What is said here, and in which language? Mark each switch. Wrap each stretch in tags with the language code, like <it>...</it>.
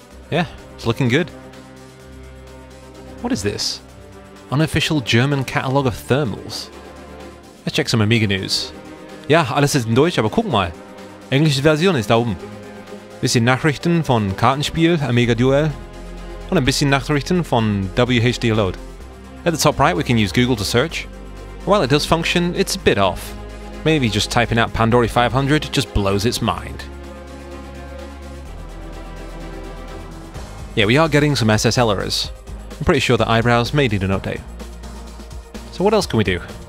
<en>Yeah, it's looking good. What is this? Unofficial German catalogue of thermals. Let's check some Amiga news.</en> <de>Ja, alles ist in Deutsch, aber guck mal. Englische Version ist da oben. Bisschen Nachrichten von Kartenspiel, Amiga Duell. Und ein bisschen Nachrichten von WHDLoad.</de> <en>At the top right, we can use Google to search. While it does function, it's a bit off. Maybe just typing out Pandory500 just blows its mind. Yeah, we are getting some SSL errors. I'm pretty sure that Ibrowse may need an update. So what else can we do?</en>